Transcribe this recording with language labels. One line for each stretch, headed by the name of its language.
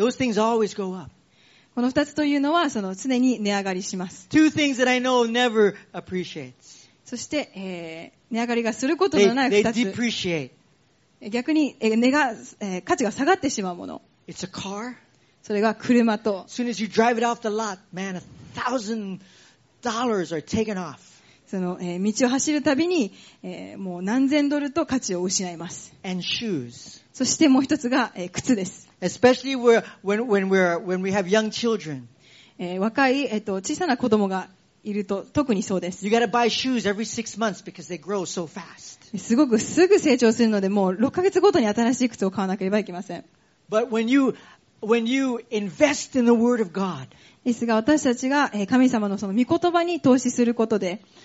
English: those things always go up.
Japanese: この二つというのは、その常に値上がりします。
English: two things that I know never appreciates.
Japanese: そして、値上がりがすることのない二つ。
English: they depreciate.
Japanese: 逆に値が価値が下がってしまうもの。
English: It's a car.
Japanese: それが車と。
English: As soon as you drive it off the lot, man, $1,000 are taken off.
Japanese: その、道を走るたびに、もう何千ドルと価値を失います。
English: And shoes.
Japanese: そしてもう一つが、靴です。
English: Especially when we have young children.
Japanese: 若い、小さな子供がいると特にそうです。
English: You gotta buy shoes every six months because they grow so fast.
Japanese: すごくすぐ成長するので、もう6ヶ月ごとに新しい靴を買わなければいけません。
English: But when you invest in the word of God,
Japanese: ですが私たちが神様のその御言葉に投資することで、